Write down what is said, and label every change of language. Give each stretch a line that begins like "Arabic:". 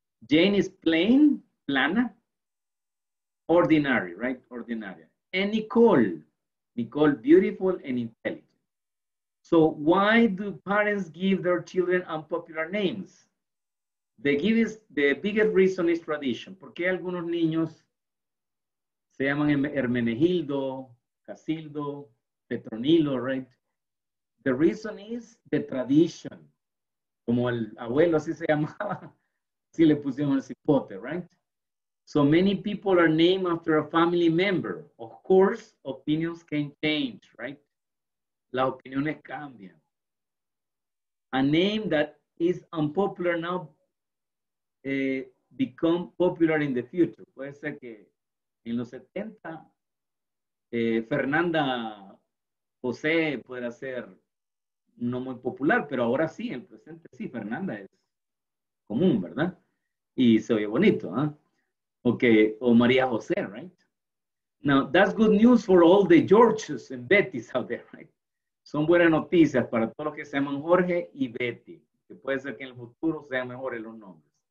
English: Jane is plain, plana. Ordinary, right? Ordinaria. And Nicole. Nicole, beautiful and intelligent. So why do parents give their children unpopular names? The biggest reason is tradition.
Spanish: ¿Por qué algunos niños se llaman Hermenegildo, Casildo, Petronilo, right?
English: The reason is the tradition.
Spanish: Como el abuelo así se llamaba, así le pusieron el cipote, right?
English: So many people are named after a family member. Of course, opinions can change, right?
Spanish: Las opiniones cambian.
English: A name that is unpopular now become popular in the future.
Spanish: Puede ser que en los 70, Fernanda José pueda ser no muy popular, pero ahora sí, en el presente sí, Fernanda es común, ¿verdad? Y se oye bonito, ¿ah? Okay, o María José, right?
English: Now, that's good news for all the Georges and Bettys out there, right?
Spanish: Son buenas noticias para todos los que se llaman Jorge y Betty, que puede ser que en el futuro sean mejores los nombres.